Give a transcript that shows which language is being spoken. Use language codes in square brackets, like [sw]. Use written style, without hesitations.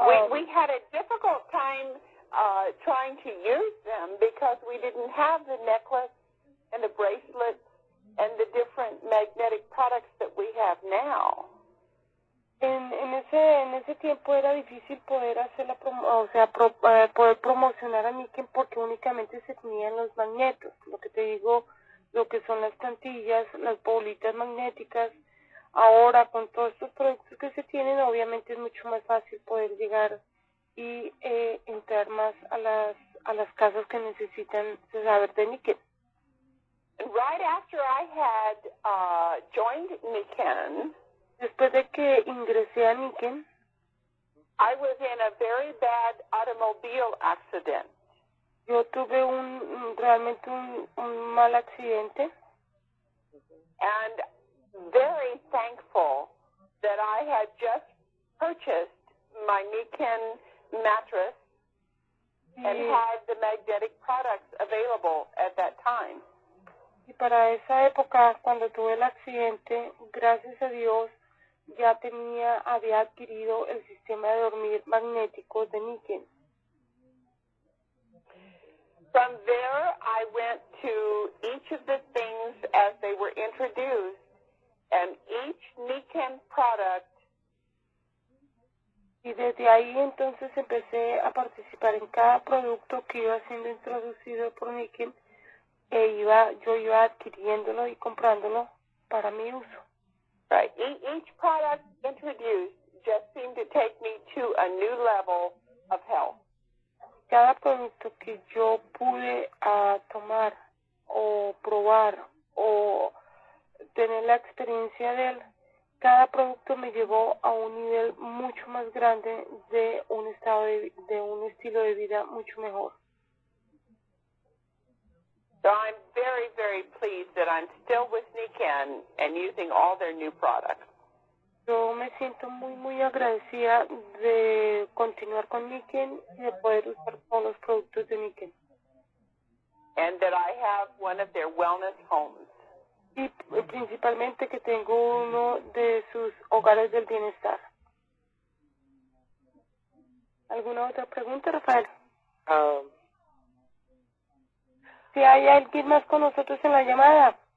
[en] We had a difficult time trying to use them because we didn't have the necklace and the bracelets and the different magnetic products that we have now. [es] En ese tiempo era difícil poder hacer la promo, o sea, poder promocionar a Niken porque únicamente se tenían los magnetos, lo que te digo, lo que son las plantillas, las bolitas magnéticas. Ahora con todos estos productos que se tienen, obviamente es mucho más fácil poder llegar y entrar más a las casas que necesitan saber de Niken. [en] Right after I had joined Niken, [es] después de que ingresé a Niken, [en] I was in a very bad automobile accident. [es] Yo tuve realmente un mal accidente. [en] And very thankful that I had just purchased my Niken mattress and had the magnetic products available at that time. [es] Y para esa época, cuando tuve el accidente, gracias a Dios, ya tenía, había adquirido el sistema de dormir magnético de Niken. [en] From there, I went to each of the things as they were introduced, and each Niken product. [es] Y desde ahí entonces empecé a participar en cada producto que iba siendo introducido por Niken, e yo iba adquiriéndolo y comprándolo para mi uso. [en] Right. Each product introduced just seemed to take me to a new level of health. [es] Cada producto que yo pude tomar o probar o tener la experiencia de él, cada producto me llevó a un nivel mucho más grande de un estado de un estilo de vida mucho mejor. [en] So I'm very, very pleased that I'm still with Niken and using all their new products. [es] Yo me siento muy, muy agradecida de continuar con Niken y de poder usar todos los productos de Niken. [en] And that I have one of their wellness homes. [es] Y principalmente que tengo uno de sus hogares del bienestar. ¿Alguna otra pregunta, Rafael? Si hay alguien más con nosotros en la llamada.